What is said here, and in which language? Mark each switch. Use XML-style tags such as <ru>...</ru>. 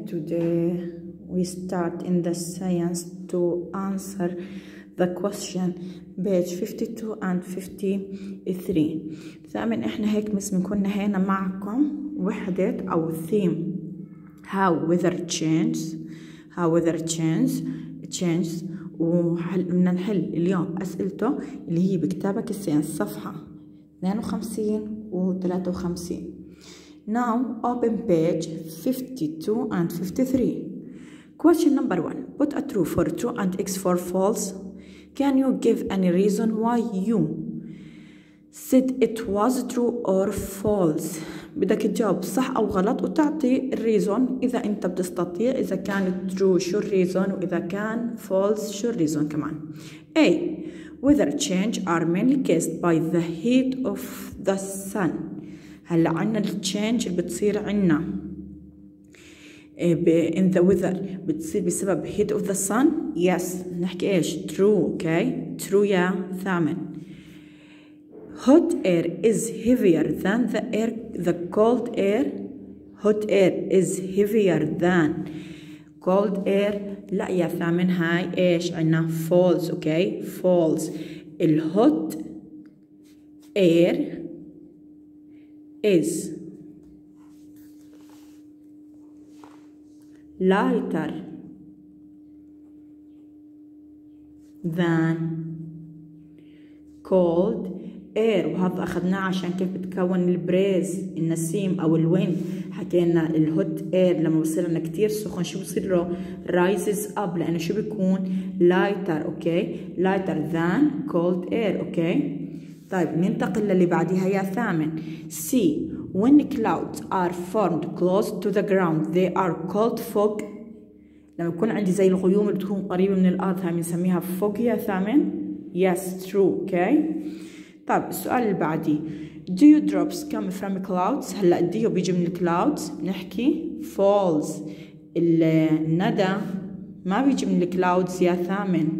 <en>Today we start in the science to answer the question page 52 and 53.</en> <ar>ثامن احنا هيك مثل بنكون نهينا معكم وحدة او</ar> <en>theme how weather changes, how weather changes</en> <ar>وبدنا نحل اليوم اسئلته اللي هي بكتابك الساينس صفحة 52 و 53.</ar> <en>Now open page 52 and 53. Question number one. Put a true for true and X for false. Can you give any reason why you said it was true or false?</en> <ar>بدك تجاوب صح أو غلط وتعطي reason إذا أنت بتستطيع. إذا كان true شو reason وإذا كان false شو reason كمان.</ar> <en>A. Weather change are mainly caused by the heat of the sun.</en> <ar>هلا عنا التشينج اللي بتصير عنا</ar> <en>in the weather</en> <ar>بتصير بسبب</ar> <en>heat of the sun. yes</en> <ar>نحكي ايش</ar> <en>true. okay true. yeah ثامن. hot air is heavier than the air the cold air. hot air is heavier than cold air.</en> <ar>لا يا ثامن هاي ايش عنا false.</ar> <en>okay false. الhot air is lighter than cold air.</en> <ar>وهذا أخذناه عشان كيف بتكون البريز النسيم أو الويند. حكينا الهوت اير لما بصير لنا كتير سخن شو بصير له</ar> <en>rises up</en> <ar>لأنه شو بيكون lighter.</ar> <en>okay lighter than cold air.</en> <ar>okay طيب ننتقل للي بعديها يا ثامن.</ar> <en>C. When clouds are formed close to the ground, they are called fog.</en> <ar>لما يكون عندي زي الغيوم اللي تكون قريبة من الأرض هاي بنسميها fog يا ثامن.</ar> <en>Yes, true. Okay.</en> <ar>طيب السؤال اللي بعدي.</ar> <en>Dew drops come from clouds.</en> <ar>هلا الديو بيجي من clouds. نحكي false. الندى ما بيجي من clouds يا ثامن.</ar>